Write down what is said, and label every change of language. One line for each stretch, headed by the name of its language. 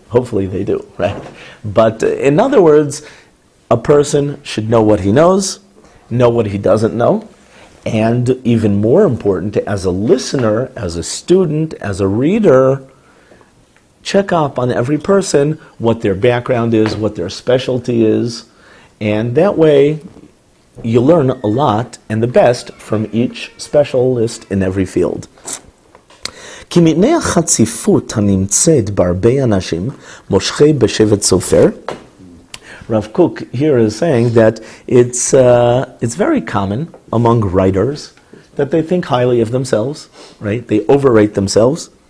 English: Hopefully they do, right? But in other words, a person should know what he knows, know what he doesn't know, and even more important, as a listener, as a student, as a reader, check up on every person, what their background is, what their specialty is, and that way you learn a lot and the best from each specialist in every field.
Hebrew: כי מפני החציפות הנמצאת בהרבה אנשים מושכי בשבט סופר.
English: Rav Kook here is saying that it's very common among writers that they think highly of themselves, right? They overrate themselves.